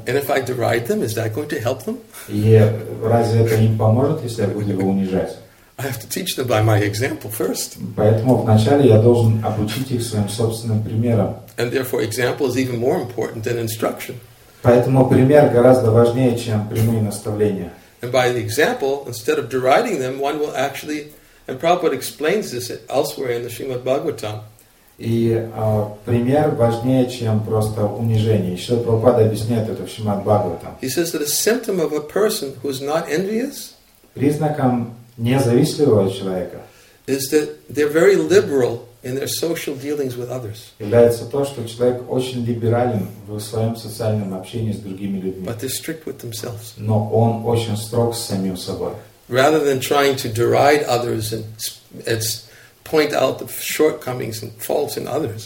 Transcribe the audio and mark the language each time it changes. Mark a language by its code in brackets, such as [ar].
[en] And if I deride them, is that going to help them? [ru] И разве это им поможет, если я буду его унижать? [en] I have to teach them by my example first. [ru] Поэтому вначале я должен обучить их своим собственным примером. [en] And therefore, example is even more important than instruction. [ru] Поэтому пример гораздо важнее, чем прямые наставления. [en] And by the example, instead of deriding them, one will actually, and Prabhupada explains this elsewhere in the Srimad Bhagavatam. [ru] И пример важнее, чем просто унижение. Еще Прабхупада объясняет это в Шримад Бхагаватам. [en] He says that a symptom of a person who is not envious, [ru] признаком независтливого человека, [en] is that they're very liberal in their social dealings with others. [ru] Является то, что человек очень либерален в своем социальном общении с другими людьми. [en] But they're strict with themselves. [ru] Но он очень строг с самим собой. [en] Rather than trying to deride others and point out the shortcomings and faults in others.